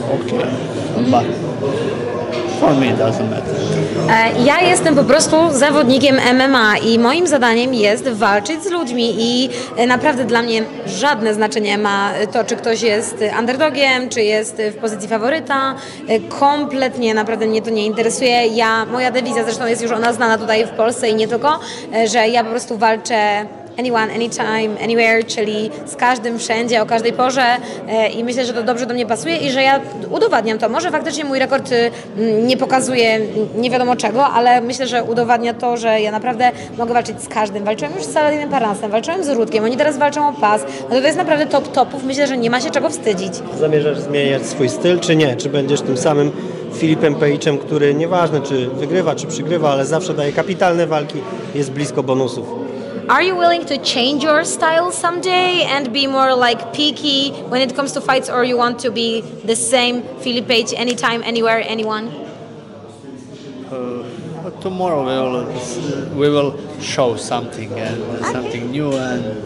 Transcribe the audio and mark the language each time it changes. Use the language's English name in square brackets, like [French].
[English] Okay. Mm-hmm. But for me it doesn't matter. [Polish] Ja jestem po prostu zawodnikiem MMA i moim zadaniem jest walczyć z ludźmi i naprawdę dla mnie żadne znaczenie ma to, czy ktoś jest underdogiem, czy jest w pozycji faworyta. Kompletnie naprawdę mnie to nie interesuje. Moja dewiza, zresztą jest już ona znana tutaj w Polsce i nie tylko, że ja po prostu walczę [English] anyone, anytime, anywhere, [Polish] czyli z każdym, wszędzie, o każdej porze i myślę, że to dobrze do mnie pasuje i że ja udowadniam to. Może faktycznie mój rekord nie pokazuje nie wiadomo czego, ale myślę, że udowadnia to, że ja naprawdę mogę walczyć z każdym. Walczyłem już z Saladinem Parnasem, walczyłem z Rutkiem, oni teraz walczą o pas. No to jest naprawdę top topów, myślę, że nie ma się czego wstydzić. Zamierzasz zmieniać swój styl, czy nie? Czy będziesz tym samym Filipem Pejiczem, który nieważne, czy wygrywa, czy przygrywa, ale zawsze daje kapitalne walki, jest blisko bonusów? [English] Are you willing to change your style someday and be more like picky when it comes to fights, or you want to be the same Filip Pejic anytime, anywhere, anyone? Tomorrow we will show something and something new and